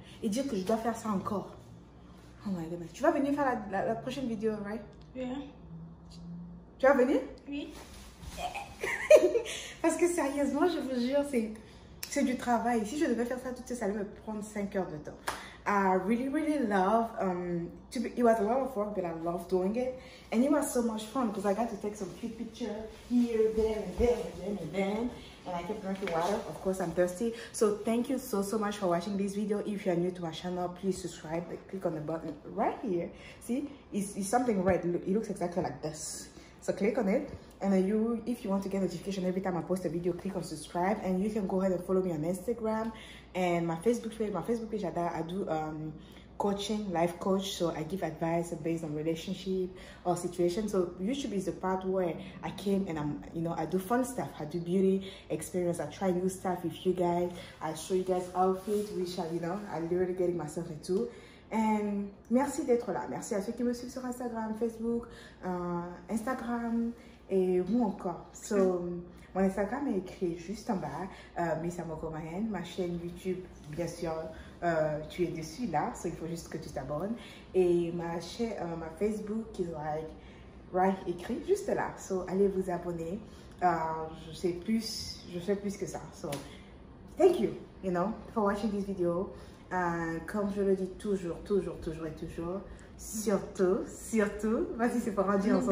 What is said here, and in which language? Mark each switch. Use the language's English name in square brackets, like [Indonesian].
[French] Et dire que je dois faire ça encore. [English] Oh my goodness. [French] Tu vas venir faire la prochaine vidéo, [English] right? Yeah. [French] Tu vas venir? Oui. Parce que sérieusement, je vous jure, c'est du travail. Si je devais faire ça toute seule, ça allait me prendre 5 heures de temps. [English] I really, really love... it was a lot of work, but I love doing it. And it was so much fun because I got to take some cute pictures here, there, and there, and then, and then. And I kept drinking water. Of course, I'm thirsty. So thank you so much for watching this video. If you're new to my channel, please subscribe. Click on the button right here. See, it's something red. It looks exactly like this. So click on it. And then if you want to get notification every time I post a video, click on subscribe. And you can go ahead and follow me on Instagram and my Facebook page. My Facebook page, I do coaching, life coach. So I give advice based on relationship or situation. So YouTube is the part where I came and I'm, you know, I do fun stuff. I do beauty experience. I try new stuff with you guys. I show you guys outfits, which are, you know, I'm literally getting myself into. And [French] merci d'être là. Merci à ceux qui me suivent sur Instagram, Facebook, Instagram. Et où encore? [English] So, [French] mon Instagram est écrit juste en bas, Miss Amoko Mahen. Ma chaîne YouTube, bien sûr, tu es dessus là, [English] so [French] il faut juste que tu t'abonnes. Et ma Facebook qui est [English] like, right, [French] écrit juste là. [English] So, [French] allez vous abonner. Je sais plus que ça. [English] So, thank you, you know, for watching this video. [French] Comme je le dis toujours, toujours, toujours et toujours, surtout, vas-y, c'est pour en dire ensemble.